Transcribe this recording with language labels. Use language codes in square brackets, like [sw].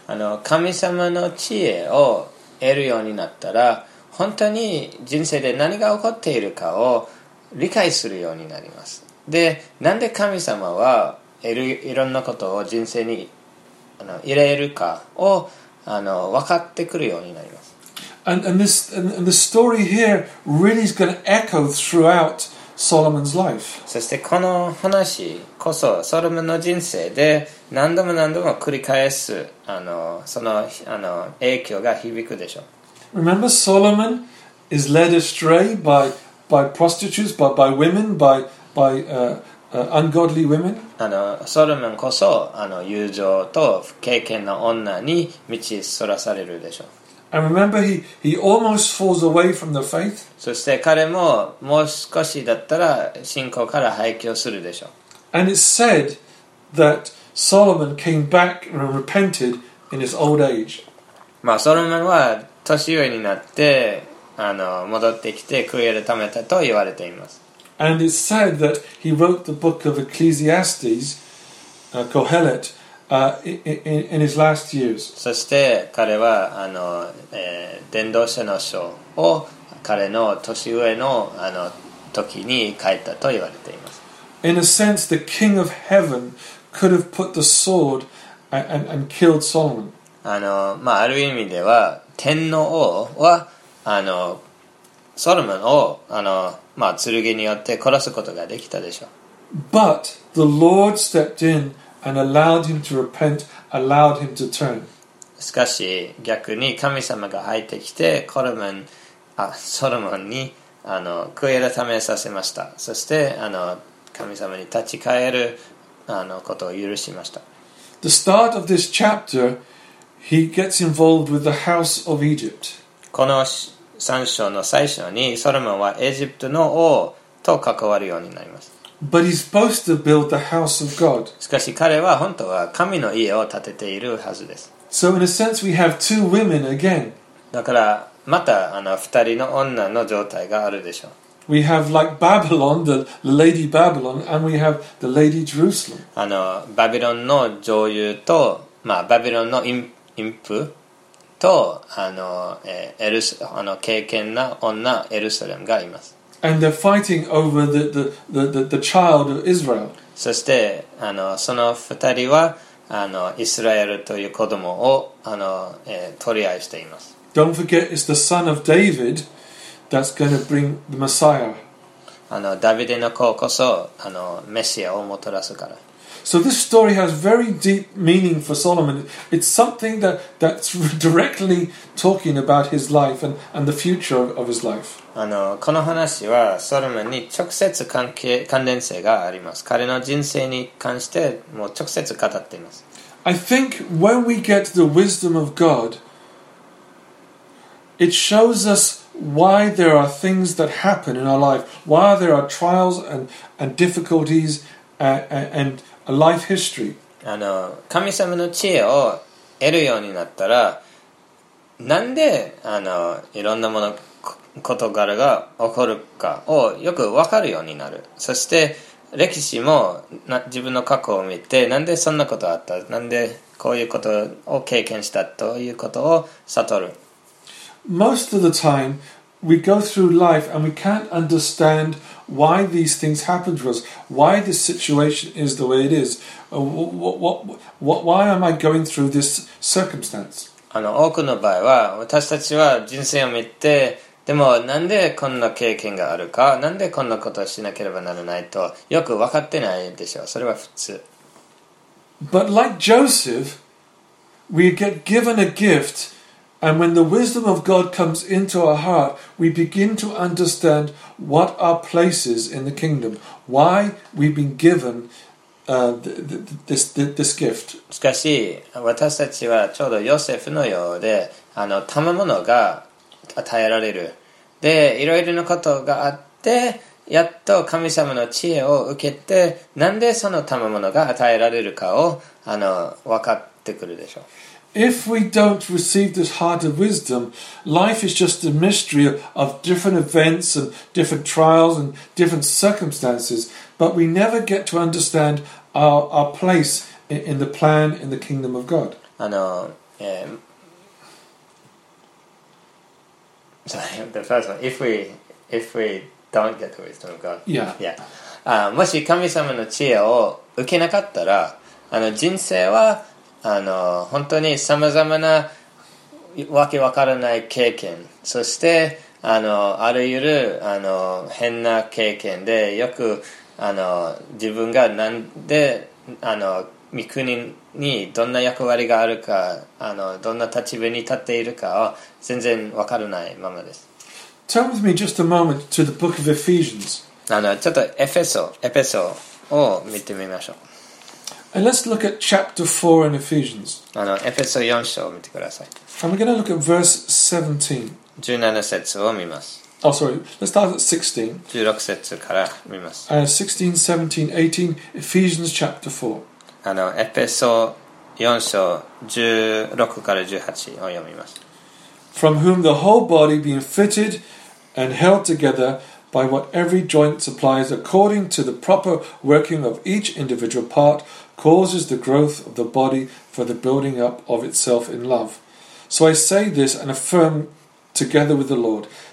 [ja] あの神様の知恵を得るようになったら、本当に人生で何が起こっているかを理解するようになります。で、なんで神様はいろんなことを人生にあの入れるかをあの分かってくるようになります。 [en] And the story here really is going to echo throughout Solomon's life. [ja] そしてこの話こそソロモンの人生で何度も何度も繰り返すあのそのあの影響が響くでしょう。 [en] Remember, Solomon is led astray by prostitutes, by women, by ungodly women. [ja] あのソロモンこそあの友情と敬虔の女に道そらされるでしょう。 [en] And remember, he almost falls away from the faith. [ja] そして彼ももう少しだったら信仰から廃墟するでしょう。 [en] And it's said that Solomon came back and repented in his old age. [ja] まあ、ソロモンは年老いになって、あの、戻ってきて悔い改めたと言われています。 [en] And it's said that he wrote the book of Ecclesiastes, Kohelet, in his last years. [ja] そして彼は、あの、伝道者の書を彼の年上の、あの、時に書いたと言われています。 [en] In a sense, the king of heaven could have put the sword and killed Solomon. [ja] あの、まあ、ある意味では、天の王は、あの、ソロモンを、あの、まあ、剣によって殺すことができたでしょう。 [en] But the Lord stepped in and allowed him to repent, allowed him to turn. [ja] しかし、逆に神様が入ってきて、コロモン、あ、ソロモンに、あの、悔い改めさせました。そして、あの、神様に立ち返る、あの、ことを許しました。 [en] The start of this chapter, he gets involved with the house of Egypt. [ja] この三章の最初にソロモンはエジプトの王と関わるようになります。 [en] But he's supposed to build the house of God. [ja] しかし彼は本当は神の家を建てているはずです。 [en] So in a sense, we have two women again. [ja] だからまた、あの、二人の女の状態があるでしょう。 [en] We have like Babylon, the Lady Babylon, and we have the Lady Jerusalem. [ja] あの、バビロンの女優と、まあ、バビロンの淫婦と、あの、エルス、あの、敬虔な女エルサレムがいます。 [en] And they're fighting over the child of Israel. [ja] そして、あの、その二人は、あの、イスラエルという子供を、あの、取り合いしています。 [en] Don't forget, it's the son of David that's going to bring the Messiah. [ja] あの、ダビデの子こそ、あの、メシアをもたらすから。 [en] So this story has very deep meaning for Solomon. It's something that's directly talking about his life and the future of his life. [ja] あの、この話はソロモンに直接関連性があります。彼の人生に関してもう直接語っています。 [en] I think when we get the wisdom of God, it shows us why there are things that happen in our life, why there are trials and difficulties and a life history. [ja] あの、神様の知恵を得るようになったら、なんで、あの、いろんなもの、事柄が起こるかをよくわかるようになる。そして、歴史も自分の過去を見て、なんでそんなことあった、なんでこういうことを経験したということを悟る。 [en] Most of the time, we go through life and we can't understand why these things happen to us, why this situation is the way it is, why am I going through this circumstance? [ja] あの、多くの場合は、私たちは人生を見て、でもなんでこんな経験があるか、なんでこんなことをしなければならないと、よく分かってないでしょう。それは普通。 [en] But like Joseph, we get given a gift. And when the wisdom of God comes into our heart, we begin to understand what our place is in the kingdom, why we've been given this gift. [ja] しかし、私たちはちょうどヨセフのようで、あの、賜物が与えられる。で、いろいろなことがあって、やっと神様の知恵を受けて、なんでその賜物が与えられるかを、あの、分かってくるでしょう。 [en] If we don't receive this heart of wisdom, life is just a mystery of different events and different trials and different circumstances, but we never get to understand our place in the plan in the kingdom of God. あの、sorry, the first one, if we don't get the wisdom of God. Yeah. [ja] もし神様の知恵を受けなかったら、あの、人生は、あの、本当にさまざまなわけわからない経験、そして、あの、あらゆる、あの、変な経験で、よく、あの、自分がなんで、あの、御国にどんな役割があるか、あの、どんな立場に立っているかを全然わからないままです。 [en] Turn with me just a moment to the book of Ephesians. [ja] あの、ちょっとエペソを見てみましょう。 [en] And let's look at chapter 4 in Ephesians. [ja] あの、エペソ4章を見てください。 [en] And we're going to look at verse 17. [ja] 17節を見ます。 [en] Oh, sorry. Let's start at 16. [ja] 16節から見ます。 [en] 16, 17, 18, Ephesians chapter 4. [ja] エペソ4章16から18を読みます。 [en] From whom the whole body being fitted and held together by what every joint supplies according to the proper working of each individual part causes the growth of the body for the building up of itself in love. So I say this and affirm together with the Lord.